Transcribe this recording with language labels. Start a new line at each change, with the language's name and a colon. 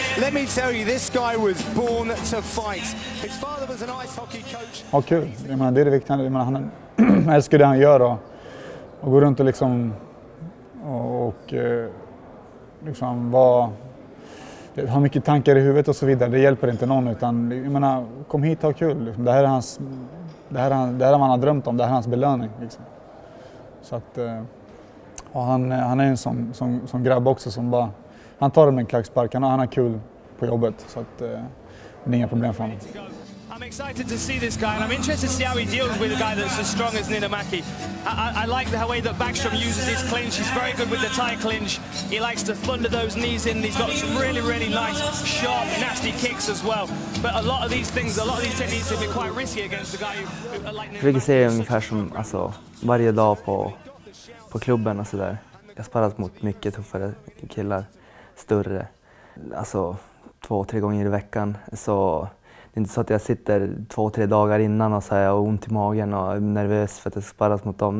English: Let me tell you, this guy was born to fight. His father was an ice hockey coach.
Swedish: Ja, kul. Jag menar, det är det viktiga. Jag menar, han älskar det han gör och går runt och liksom, och liksom var har mycket tankar i huvudet och så vidare. Det hjälper inte någon, utan jag menar, kom hit och ha kul. Liksom. Det här är man har drömt om. Det här är hans belöning. Liksom. Så att, och han är en sån grabb också som bara, han tar det med en klackspark. Han har kul på jobbet, så att, det är inga problem för honom.
English: I'm excited to see this guy, and I'm interested to see how he deals with a guy that's as strong as Ninamaki. I like the way that Bäckström uses his clinch. He's very good with the tie clinch. He likes to thunder those knees in. He's got some really, really nice, sharp, nasty kicks as well. But a lot of these things, a lot of these techniques have been quite risky against a guy who like Ninamaki.
Swedish: Jag ser ungefär som, alltså, varje dag på klubben och sådär. Jag sparrat mot mycket tuffare killar, större, alltså 2-3 gånger i veckan, så. Det är inte så att jag sitter 2-3 dagar innan och så har ont i magen och är nervös för att jag ska sparras mot dem.